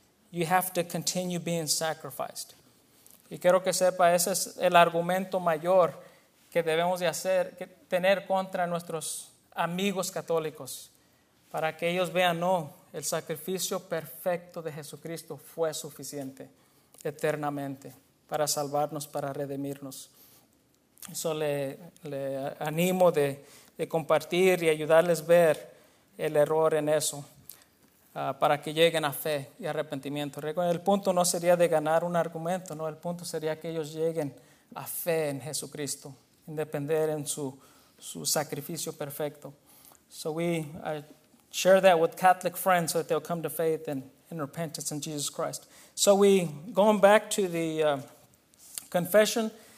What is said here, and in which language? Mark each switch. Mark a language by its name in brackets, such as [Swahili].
[English] You have to continue being sacrificed. [Spanish] Y quiero que sepa, ese es el argumento mayor que debemos de hacer, que tener contra nuestros amigos católicos, para que ellos vean, no, el sacrificio perfecto de Jesucristo fue suficiente eternamente para salvarnos, para redimirnos. Eso le animo de compartir y ayudarles a ver el error en eso, para que lleguen a fe y arrepentimiento. El punto no sería de ganar un argumento, no, el punto sería que ellos lleguen a fe en Jesucristo, depender en su sacrificio perfecto. [English] So I share that with Catholic friends so that they'll come to faith and in repentance in Jesus Christ. So going back to the confession,